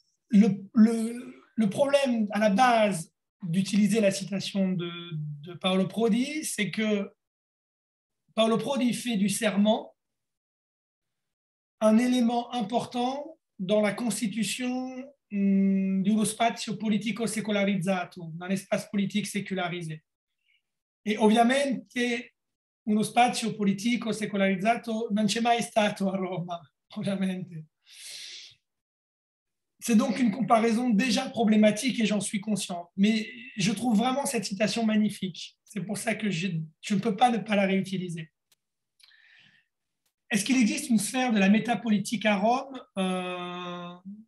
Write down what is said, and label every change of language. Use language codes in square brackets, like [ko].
[fr] Le problème à la base d'utiliser la citation de Paolo Prodi, c'est que Paolo Prodi fait du serment un élément important dans la constitution d' [it] uno spazio politico secolarizzato, [fr] d'un espace politique sécularisé. [it] Et ovviamente, uno spazio politico secolarizzato non c'è mai stato a Roma, ovviamente. [fr] C'est donc une comparaison déjà problématique et j'en suis conscient. Mais je trouve vraiment cette citation magnifique. C'est pour ça que je ne peux pas ne pas la réutiliser. Est-ce qu'il existe une sphère de la métapolitique à Rome?